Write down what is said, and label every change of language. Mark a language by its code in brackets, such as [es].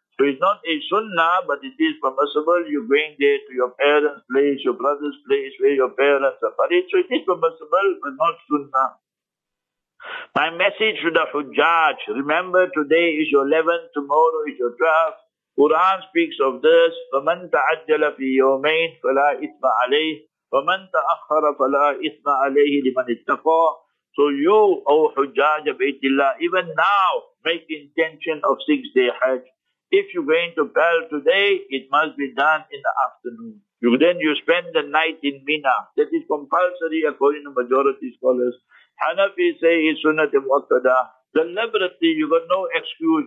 [en] So it's not a sunnah, but it is permissible. You're going there to your parents' place, your brother's place, where your parents are buried. So it is permissible, but not sunnah. My message to the Hujjaj, remember today is your 11th, tomorrow is your 12th. Quran speaks of this, [ar] فَمَنْ تَعَجَّلَ فِي يَوْمَيْنِ فَلَا إِثْمَ عَلَيْهِ وَمَنْ تَأَخَّرَ فَلَا إِثْمَ عَلَيْهِ لِمَنِ اتَّقَى. [en] So you, O Hujjaj of Baitullah, even now, make intention of 6-day Hajj. If you're going to bail today, it must be done in the afternoon. Then you spend the night in Mina. That is compulsory according to majority scholars. Hanafi say it's sunnah muqaddada. Deliberately, you got no excuse.